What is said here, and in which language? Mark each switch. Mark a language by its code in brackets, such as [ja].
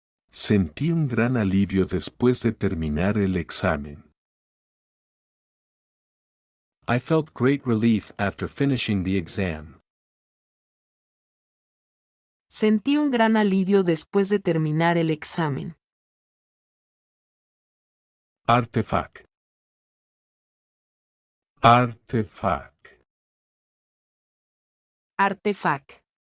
[es] Sentí un gran alivio después de terminar el examen. [en] I felt great relief after finishing the exam. [es] Sentí un gran alivio después de terminar el examen. [en] Artefact. Artefact. Artefact.